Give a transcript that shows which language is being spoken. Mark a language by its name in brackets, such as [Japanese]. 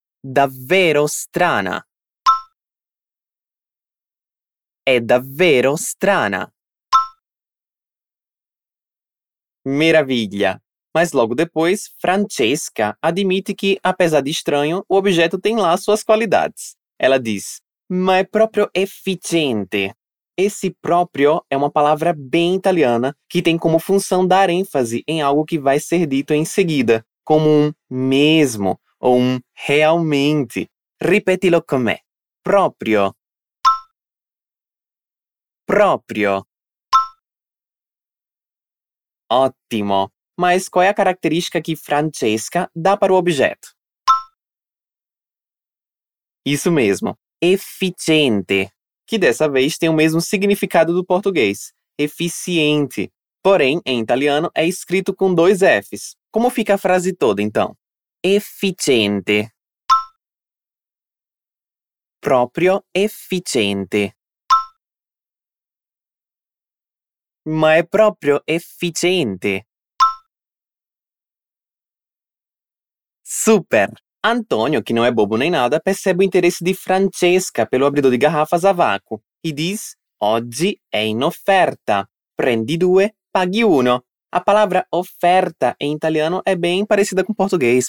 [Italian] Davvero strana. È davvero strana. Meraviglia. [Portuguese] Mas logo depois, Francesca admite que, apesar de estranho, o objeto tem lá suas qualidades. Ela diz, [Italian] ma è proprio efficiente. [Portuguese] Esse próprio é uma palavra bem italiana que tem como função dar ênfase em algo que vai ser dito em seguida, como um mesmo ou um realmente. [Italian] Ripetilo com me. Proprio. Proprio. [Portuguese] Ótimo. Mas qual é a característica que Francesca dá para o objeto? Isso mesmo. Efficiente. Que dessa vez tem o mesmo significado do português, eficiente. Porém, em italiano, é escrito com dois Fs. Como fica a frase toda, então? [Italian] Efficiente. Proprio efficiente. Ma è proprio efficiente. Super! [Portuguese] Antonio, que não é bobo nem nada, percebe o interesse de Francesca pelo abridor de garrafas a vácuo e diz [Italian] «Oggi è in offerta. Prendi due, paghi uno». [Portuguese] A palavra «oferta» em italiano é bem parecida com português.